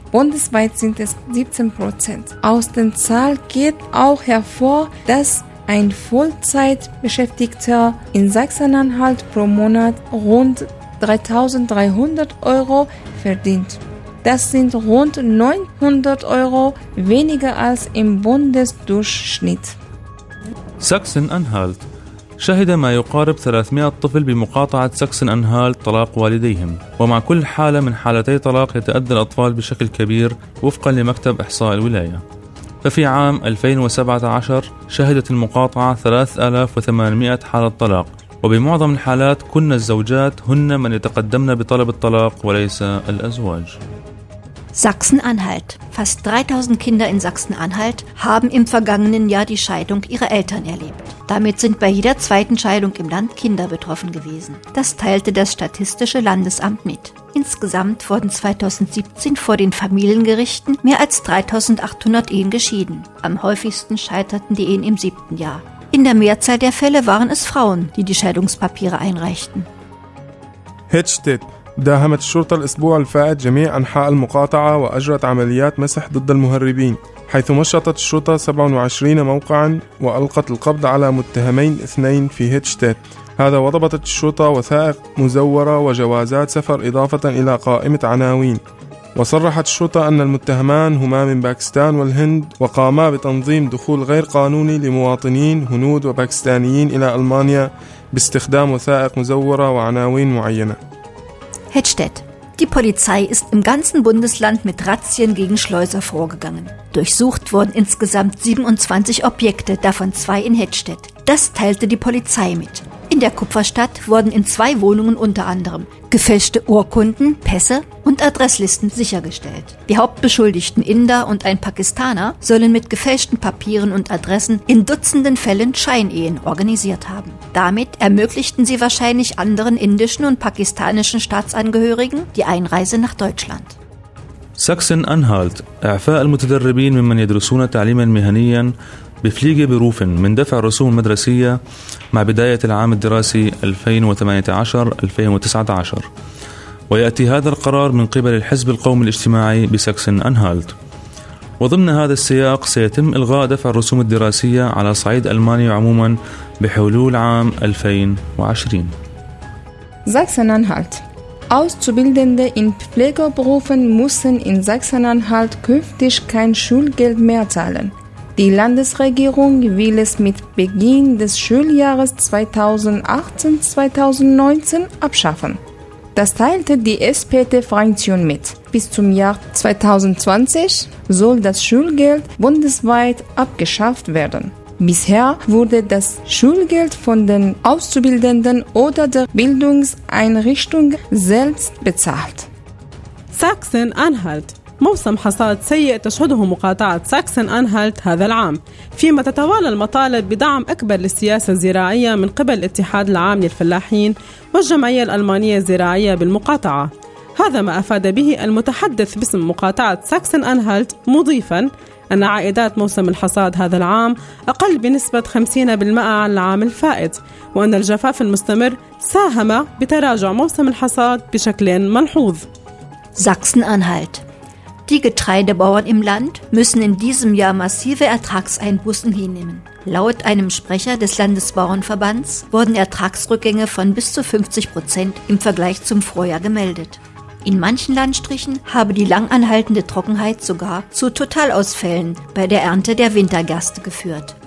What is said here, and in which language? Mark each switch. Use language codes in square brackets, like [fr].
[de] Bundesweit sind es 17%. Aus den Zahlen geht auch hervor, dass ein Vollzeitbeschäftigter in Sachsen-Anhalt pro Monat rund 3.300 Euro verdient. Das sind rund 900 Euro weniger als im Bundesdurchschnitt. Sachsen-Anhalt. [ar] شهد ما يقارب 300 طفل بمقاطعة ساكسن-أنهالت طلاق والديهم، ومع كل حالة من حالتي طلاق يتأذى الأطفال بشكل كبير وفقا لمكتب إحصاء الولاية. ففي عام 2017 شهدت المقاطعة 3800 حالة طلاق، وبمعظم الحالات كن الزوجات هن من يتقدمن بطلب الطلاق وليس الأزواج. [de] Sachsen-Anhalt. Fast 3000 Kinder in Sachsen-Anhalt haben im vergangenen Jahr die Scheidung ihrer Eltern erlebt. Damit sind bei jeder zweiten Scheidung im Land Kinder betroffen gewesen. Das teilte das Statistische Landesamt mit. Insgesamt wurden 2017 vor den Familiengerichten mehr als 3800 Ehen geschieden. Am häufigsten scheiterten die Ehen im siebten Jahr. In der Mehrzahl der Fälle waren es Frauen, die die Scheidungspapiere einreichten. Hedstedt. [ar] داهمت الشرطة الأسبوع الفائت جميع أنحاء المقاطعة وأجرت عمليات مسح ضد المهربين، حيث مشطت الشرطة 27 موقعاً وألقت القبض على متهمين اثنين في هيتشتات. هذا وضبطت الشرطة وثائق مزورة وجوازات سفر إضافة إلى قائمة عناوين. وصرحت الشرطة أن المتهمان هما من باكستان والهند وقاما بتنظيم دخول غير قانوني لمواطنين هنود وباكستانيين إلى ألمانيا باستخدام وثائق مزورة وعناوين معينة. [de] Hedstedt. Die Polizei ist im ganzen Bundesland mit Razzien gegen Schleuser vorgegangen. Durchsucht wurden insgesamt 27 Objekte, davon zwei in Hedstedt. Das teilte die Polizei mit. In der Kupferstadt wurden in zwei Wohnungen unter anderem gefälschte Urkunden, Pässe und Adresslisten sichergestellt. Die Hauptbeschuldigten Inder und ein Pakistaner sollen mit gefälschten Papieren und Adressen in dutzenden Fällen Scheinehen organisiert haben. Damit ermöglichten sie wahrscheinlich anderen indischen und pakistanischen Staatsangehörigen die Einreise nach Deutschland. [ar] Sachsen-Anhalt, إعفاء المتدربين ممن يدرسون تعليما مهنيا بفليغة بروف من دفع رسوم مدرسية مع بداية العام الدراسي 2018-2019، ويأتي هذا القرار من قبل الحزب القومي الاجتماعي بساكسن-أنهالت. وضمن هذا السياق سيتم إلغاء دفع الرسوم الدراسية على صعيد ألمانيا عموما بحلول عام 2020. [de] Sachsen-Anhalt. Auszubildende in Pflegeberufen müssen in Sachsen-Anhalt künftig kein Schulgeld mehr zahlen. Die Landesregierung will es mit Beginn des Schuljahres 2018-2019 abschaffen. Das teilte die SPD-Fraktion mit. Bis zum Jahr 2020 soll das Schulgeld bundesweit abgeschafft werden. Bisher wurde das Schulgeld von den Auszubildenden oder der Bildungseinrichtung selbst bezahlt. Sachsen-Anhalt. [ar] موسم حصاد سيء تشهده مقاطعة ساكسن-أنهالت هذا العام، فيما تتوالى المطالب بدعم أكبر للسياسة الزراعية من قبل الاتحاد العام للفلاحين والجمعية الألمانية الزراعية بالمقاطعة. هذا ما أفاد به المتحدث باسم مقاطعة ساكسن-أنهالت مضيفاً أن عائدات موسم الحصاد هذا العام أقل بنسبة 50% عن العام الفائت، وأن الجفاف المستمر ساهم بتراجع موسم الحصاد بشكل ملحوظ. ساكسن-أنهالت. [de] Die Getreidebauern im Land müssen in diesem Jahr massive Ertragseinbußen hinnehmen. Laut einem Sprecher des Landesbauernverbands wurden Ertragsrückgänge von bis zu 50% im Vergleich zum Vorjahr gemeldet. In manchen Landstrichen habe die langanhaltende Trockenheit sogar zu Totalausfällen bei der Ernte der Wintergerste geführt.